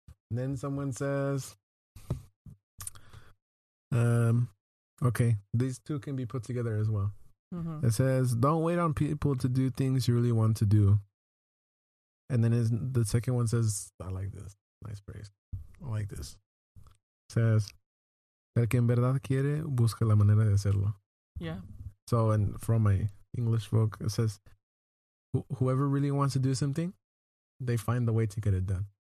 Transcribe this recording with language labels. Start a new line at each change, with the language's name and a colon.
English: And then someone says, okay, these two can be put together as well. Mm-hmm. It says, don't wait on people to do things you really want to do. And then the second one says, I like this. Nice phrase. I like this. It says,
Spanish: el que en verdad quiere, busca la manera de hacerlo.
English: Yeah. So, and from my English book, it says, whoever really wants to do something, they find the way to get it done.